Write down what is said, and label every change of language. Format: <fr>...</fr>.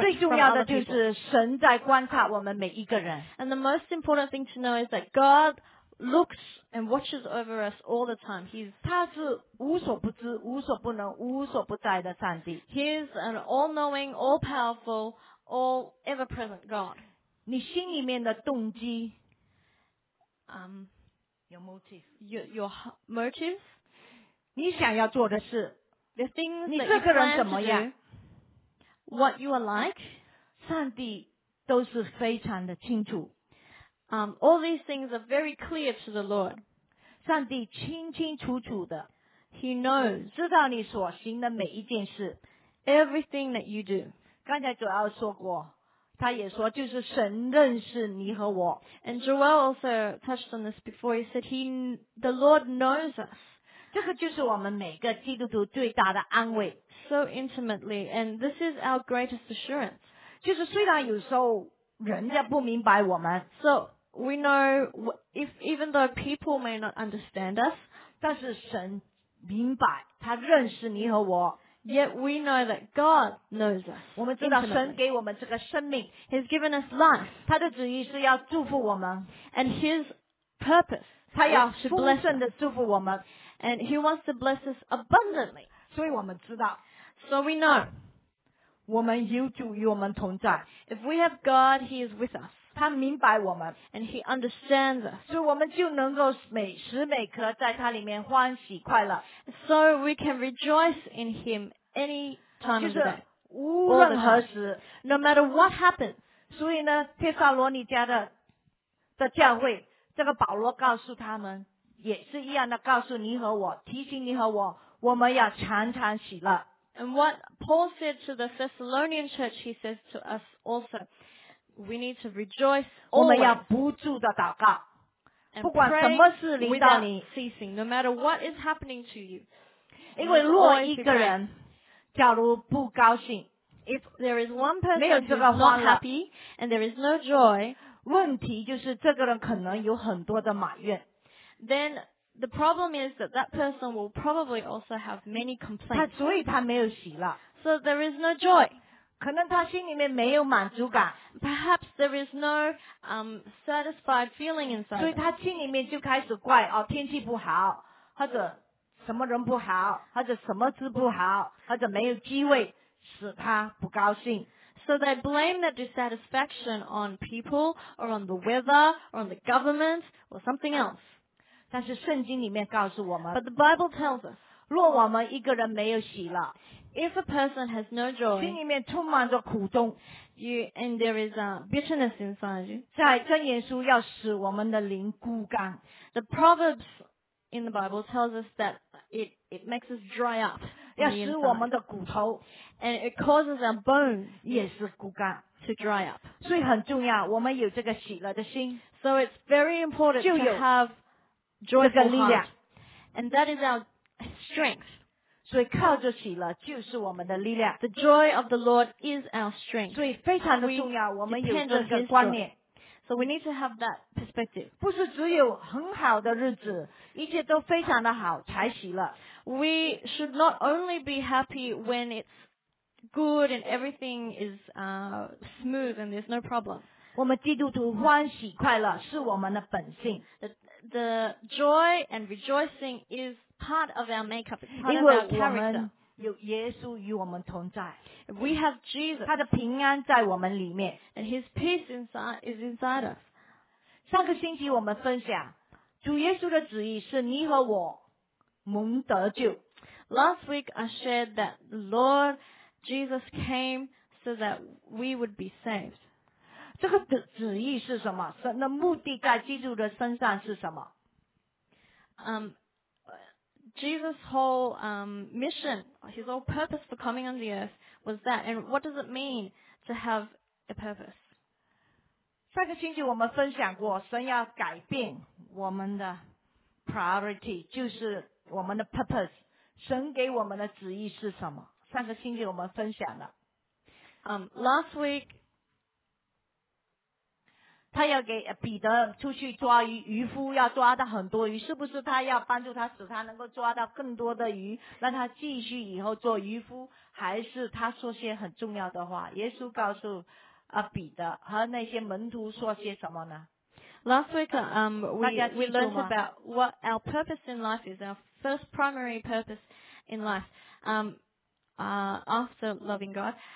<zh>最重要的就是神在观察我们每一个人。</zh> <en>And the most important thing to know is that God looks and watches over us all the time. He's</en> <zh>他是无所不知、无所不能、无所不在的上帝。</zh> <en>He's an all-knowing, all-powerful, all-ever-present God.</en> <zh>你心里面的动机</zh> <en>your motive. Your motive.</en> <zh>你想要做的事</zh> <en>the things</en> <zh>你这个人怎么样</zh> <en>what you are like.</en> <zh>上帝都是非常的清楚。</zh> <en>All these things are very clear to the Lord.</en> <zh>上帝清清楚楚的</zh> <en>He knows</en> <zh>知道你所行的每一件事</zh> <en>Everything that you do.</en> <zh>刚才主要说过他也说就是神认识你和我</zh> <en>And Joel also touched on this before. He said the Lord knows us.</en> <zh>这个就是我们每个基督徒最大的安慰</zh> <en>So intimately. And this is our greatest assurance.</en> <zh>就是虽然有时候人家不明白我们</zh> <en>So we know if even though people may not understand us</en> <zh>但是神明白他认识你和我</zh> <en>Yet we know that God knows us</en> <zh>我们知道神给我们这个生命</zh> <en>He's given us life</en> <zh>他的旨意是要祝福我们</zh> <en>And his purpose</en> <zh>他要丰盛的祝福我们</zh> <en>And he wants to bless us abundantly</en> <zh>所以我们知道</zh> <en>So we know</en> <zh>我们有主与我们同在。</zh> <en>If we have God, He is with us.</en> <zh>他明白我们。</zh> <en>And He understands us.</en> <zh>所以我们就能够每时每刻在他里面欢喜快乐。</zh> <en>So we can rejoice in Him any time of the day.</en> <zh>无论何时。</zh> <en>No matter what happens.</en> <zh>所以呢，帖撒罗尼迦的教会，这个保罗告诉他们，也是一样的告诉你和我，提醒你和我，我们要常常喜乐。</zh> <en>And what Paul said to the Thessalonian church, he says to us also, we need to rejoice always.</en> <zh>我们要不住的祷告，不管什么事临到你</zh> <en>without ceasing, no matter what is happening to you.</en> <zh>因为若一个人假如不高兴，</zh> <en>if there is one person who is not happy and there is no joy,</en> <zh>问题就是这个人可能有很多的埋怨。</zh> <en>Then the problem is that that person will probably also have many complaints.</en> <zh>所以他没有喜乐。</zh> <en>So there is no joy.</en> <zh>可能他心里面没有满足感。</zh> <en>Perhaps there is no satisfied feeling inside.</en> <zh>所以他心里面就开始怪哦，天气不好，或者什么人不好，或者什么事不好，或者没有机会，使他不高兴。</zh> <en>So they blame their dissatisfaction on people, or on the weather, or on the government, or something else.</en> <zh>但是圣经里面告诉我们</zh> <en>But the Bible tells us</en> <zh>若我们一个人没有喜乐</zh> <en>If a person has no joy</en> <zh>心里面充满着苦衷</zh> <en>And there is a bitterness inside you</en> <zh>在箴言书要使我们的灵枯干</zh> <en>The Proverbs in the Bible tells us that it makes us dry up</en> <zh>要使我们的骨头</zh> <en>And it causes our bones</en> <zh>也是枯干</zh> <en>To dry up</en> <zh>所以很重要我们有这个喜乐的心</zh> <en>So it's very important to haveJoyful heart. And that is our strength.</en> <zh>所以靠着喜乐就是我们的力量。</zh> <en>The joy of the Lord is our strength.</en> <zh>所以非常的重要我们有这个观念。</zh> <en>So we need to have that perspective.</en> <zh>不是只有很好的日子一切都非常的好才喜乐。</zh> <en>We should not only be happy when it's good and everything is smooth and there's no problem.</en> <zh>我们基督徒欢喜快乐是我们的本性。</zh> <en>The joy and rejoicing is part of our makeup. It's part of our character.</en> <zh>因为我们有耶稣与我们同在。</zh> <en>We have Jesus.</en> <zh>他的平安在我们里面。</zh> <en>And His peace is inside us.</en> <zh>上个星期我们分享，主耶稣的旨意是你和我蒙得救。</zh> <en>Last week I shared that the Lord Jesus came so that we would be saved.</en> <zh>这个的旨意是什么？神的目的在基督的身上是什么？</zh> <en>Jesus' whole mission, his whole purpose for coming on the earth was that. And what does it mean to have a purpose?</en> <zh>上个星期我们分享过，神要改变我们的 priority， 就是我们的 purpose。神给我们的旨意是什么？上个星期我们分享了。</zh> <en>Last week.</en> <zh>他要给彼得出去抓鱼，渔夫要抓到很多鱼，是不是他要帮助他，使他能够抓到更多的鱼，让他继续以后做渔夫？还是他说些很重要的话？耶稣告诉彼得和那些门徒说些什么呢</zh> <en>Last week, we learned about what our purpose in life is, our first primary purpose in life, after loving God.</en>